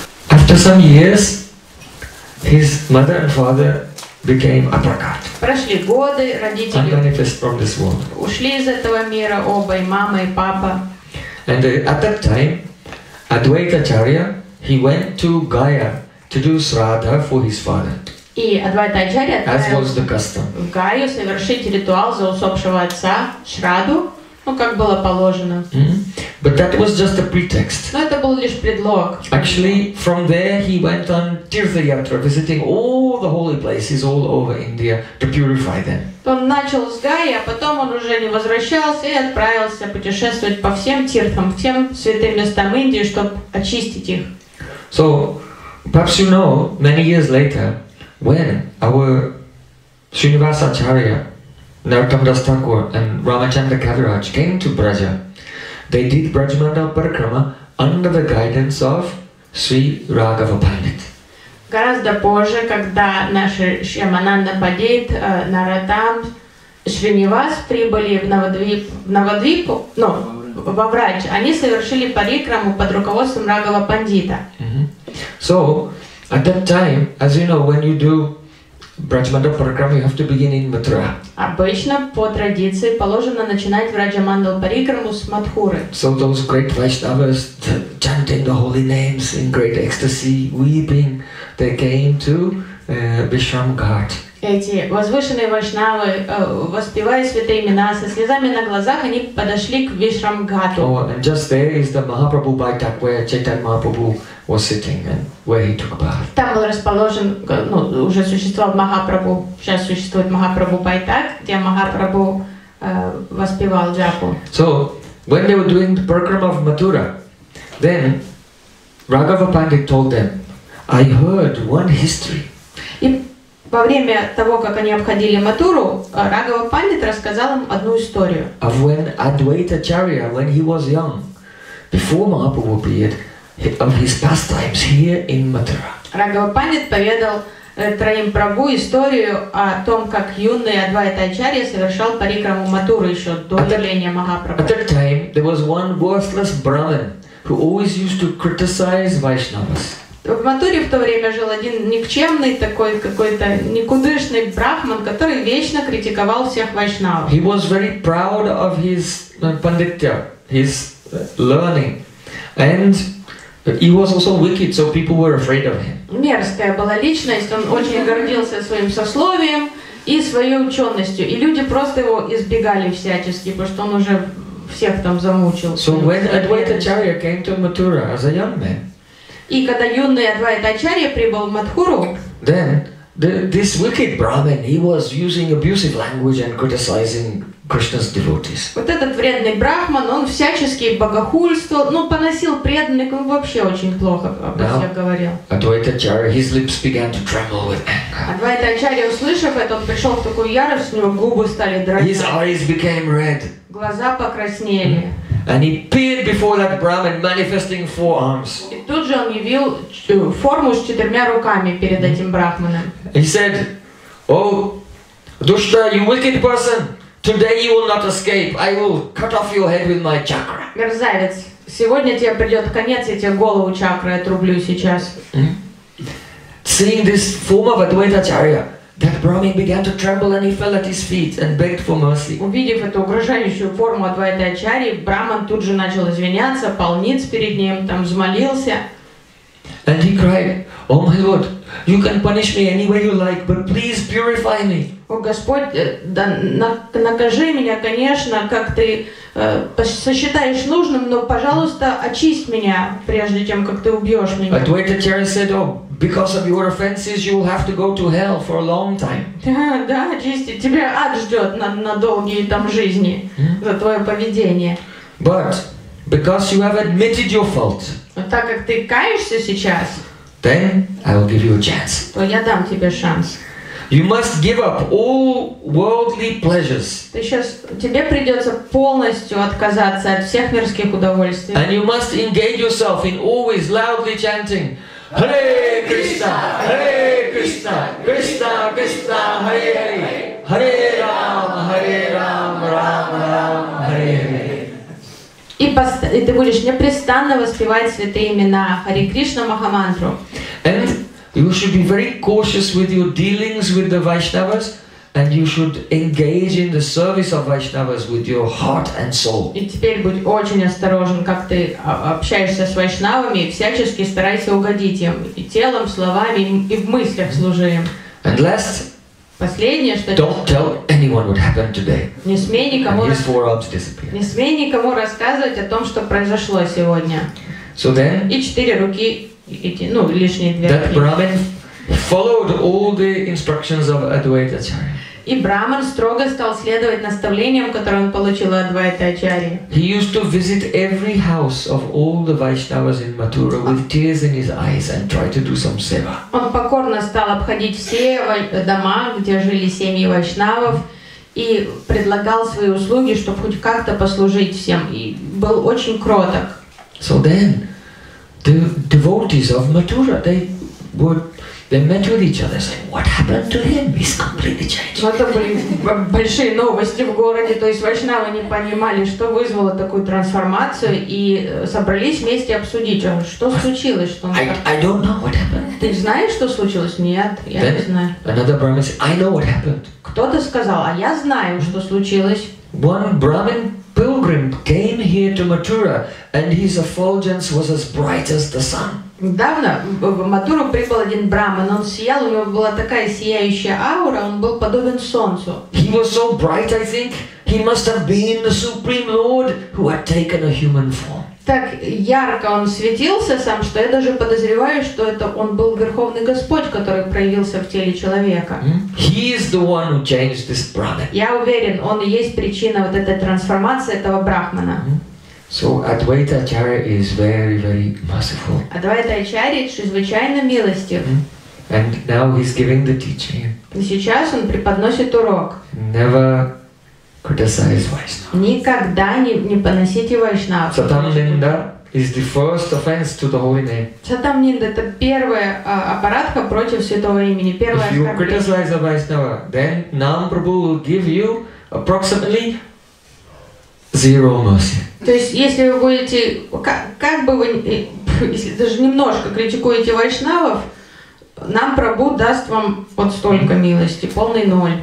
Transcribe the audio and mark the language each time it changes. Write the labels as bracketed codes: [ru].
[en] After some years, his mother and father became aprakat. [ru] Прошли годы, родители ушли из этого мира, оба, и мама, и папа. [en] And at that time, Advaita Acharya, he went to Gaya to do Shraddha for his father. [ru] И Адвайта Ачарья отправился в Гаю совершить ритуал за усопшего отца, Шрадду, ну как было положено. [en] Mm-hmm. But that was just a pretext. [ru] Но это был лишь предлог. [en] Actually, from there he went on Tirtha Yatra, visiting all the holy places all over India to purify them. [ru] Он начал с Гаи, а потом он уже не возвращался и отправился путешествовать по всем тиртхам, всем святым местам Индии, чтобы очистить их. [en] So, perhaps you know, many years later, when our Srinivasa Acharya, Narottam Das Thakur and Ramachandra Kaviraj came to Braja, they did Brajmandal Parikrama under the guidance of Sri Raghava Pandit. [ru] Гораздо позже, когда наши Шьямананда Падит, Наратам, Шринивас прибыли в Навадвип, во Врач, они совершили парикраму под руководством Раghava Пандита. [en] So, at that time, as you know, when you do Brajmandal Parikrama, you have to begin in Mathura. [ru] Обычно, по традиции, положено начинать Брадж-мандал Парикраму с Матхуры. [en] So those great Vaishnavas chanting the holy names in great ecstasy, weeping, they came to Vishram Ghat. [ru] Эти возвышенные Вайшнавы, воспевая святые имена, со слезами на глазах, они подошли к Вишрам Гату. [en] Oh, and just there is the Mahaprabhu Baitak, where Chaitanya Mahaprabhu was sitting and where he took a bath. [ru] Там был расположен, ну, уже существовал Махапрабху, сейчас существует Махапрабху Байтак, где Махапрабху воспевал джапу. [en] So, when they were doing the program of Mathura, then Raghava Pandit told them, I heard one history. [ru] Во время того, как они обходили Матуру, Раghava Пандит рассказал им одну историю. [en] Of when Advaita Acharya, when he was young, before Mahaprabhu appeared, of his pastimes here in Mathura. [ru] Раghava Пандит поведал троим Прабху историю о том, как юный Адвайта Ачарья совершал парикраму Матуру еще до явления Махапрабху. [en] At that time, there was one worthless Brahmin who always used to criticize Vaishnavas. [ru] В Матуре в то время жил один никчемный такой какой-то никудышный брахман, который вечно критиковал всех вайшнав. [en] He was very proud of his panditya, his learning, and he was also wicked, so people were afraid of him. [ru] Мерзкая была личность, он очень гордился своим сословием и своей ученостью, и люди просто его избегали всячески, потому что он уже всех там замучил. [en] So when Advaita Acharya came to Mathura as a young man. [ru] И когда юный Адвайта Ачарья прибыл в Матхуру, [en] then this wicked Brahmin, he was using abusive language and criticizing Krishna's devotees. [ru] Вот этот вредный брахман, он всячески богохульствовал, ну поносил преданных, он вообще очень плохо обо всех говорил. [en] Advaita Acharya, his lips began to tremble with anger. [ru] Адвайта Ачарья, услышав это, он пришел в такую ярость, у него губы стали дрожать. [en] His eyes became red. [ru] Глаза покраснели. [en] And he appeared before that Brahmin, manifesting four arms. [ru] И тут же он явил форму с четырьмя руками перед этим брахманом. [en] He said, "Oh, Dushta, you wicked person! Today you will not escape. I will cut off your head with my chakra." [ru] Мерзавец, сегодня тебе придет конец, я тебе голову чакры отрублю сейчас. [en] Seeing this form of Advaita Acharya, That Brahmin began to tremble and he fell at his feet and begged for mercy. [ru] Увидев эту угрожающую форму Адвайты Ачарьи, Браман тут же начал извиняться, пал ниц перед ним, там взмолился. [en] And he cried, "O my Lord, you can punish me any way you like, but please purify me." [ru] О Господь, да, накажи меня, конечно, как ты сосчитаешь нужным, но пожалуйста, очисть меня, прежде чем как ты убьешь меня. [en] Адвайта Ачарья said, "Oh, because of your offenses, you will have to go to hell for a long time." [ru] Да, очисти. Тебя ад ждет на долгие там жизни за твое поведение. [en] But because you have admitted your fault. [ru] Так как ты каешься сейчас, [en] then I will give you a chance. [ru] То я дам тебе шанс. [en] You must give up all worldly pleasures. [ru] Ты сейчас, тебе придется полностью отказаться от всех мирских удовольствий. [en] And you must engage yourself in always loudly chanting, Hare Krishna, Hare Krishna, Krishna Krishna, Hare Hare, Hare Rama, Hare Rama, Rama Rama, Hare Hare. [ru] И ты будешь непрестанно воспевать святые имена Хари Кришна Махамантру. [en] And you should be very cautious with your dealings with the Vaishnavas, and you should engage in the service of Vaishnavas with your heart and soul. [ru] И теперь будь очень осторожен, как ты общаешься с вайшнавами, всячески старайся угодить им и телом, словами, и в мыслях служи им. [en] And last, [ru] последнее, что [en] don't tell anyone what happened today. [ru] Не смей никому, [en] and his forearms disappear. [ru] Не смей никому рассказывать о том, что произошло сегодня. [en] So then, [ru] и четыре руки, ну, лишние две. [en] That Brahmin followed all the instructions of Advaita Acharya. [ru] И Браман строго стал следовать наставлениям, которые он получил от Адвайты Ачарьи. [en] He used to visit every house of all the Vaishnavas in Mathura with tears in his eyes and try to do some seva. [ru] Он покорно стал обходить все дома, где жили семьи вайшнавов, и предлагал свои услуги, чтобы хоть как-то послужить всем, и был очень кроток. [en] So then, the devotees of Mathura, they were... They met with each other. Saying, what happened to him? He's completely changed. [ru] Это были большие новости в городе. То есть вайшнавы не понимали, что вызвало такую трансформацию, и собрались вместе обсудить, что случилось, что. [en] I don't know what happened. [ru] Ты знаешь, что случилось? Нет, я не знаю. [en] Another Brahmin said, I know what happened. [ru] Кто-то сказал, а я знаю, что случилось. [en] One Brahmin pilgrim came here to Mathura, and his effulgence was as bright as the sun. [ru] Недавно в Матуру прибыл один браман, он сиял, у него была такая сияющая аура, он был подобен солнцу. [en] He was so bright, I think, he must have been the Supreme Lord who had taken a human form. [ru] Так ярко он светился сам, что я даже подозреваю, что это он был Верховный Господь, который проявился в теле человека. [en] He is the one who changed this brahman. [ru] Я уверен, он и есть причина вот этой трансформации этого брахмана. [en] So Advaita Acharya is very, very merciful. [ru] Адвайта Ачарья чрезвычайно милостив. [en] And now he's giving the teaching. [ru] И сейчас он преподносит урок. [en] Never criticize Vaishnava. [ru] Никогда не поносите вайшнавов. [en] Сатамнинда is the first offense to the holy name. [ru] Сатамнинда — это первая аппаратка против святого имени, первая оскорбление. [en] If you criticize a Vaishnava, then Nam Prabhu will give you approximately zero mercy. [ru] То есть, если вы будете, как бы вы, если даже немножко критикуете вайшнавов, нам Прабху даст вам вот столько милости, полный ноль.